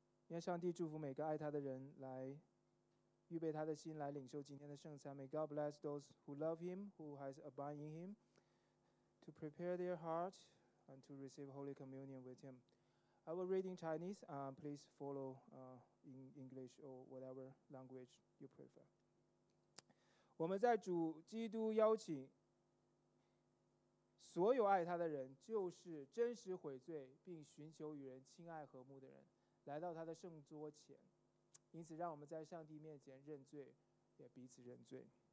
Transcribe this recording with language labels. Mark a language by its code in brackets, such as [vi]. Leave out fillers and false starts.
[en] May [zh] 上帝祝福每个爱他的人来。预备他的心来领受今天的圣餐。 [en] May God bless those who love him, who has abide in him, to prepare their heart and to receive Holy Communion with him. I will read in Chinese. Please follow in English or whatever language you prefer. [zh] 我们在主基督邀请所有爱他的人，就是真实悔罪并寻求与人亲爱和睦的人，来到他的圣桌前。因此让我们在上帝面前认罪，也彼此认罪。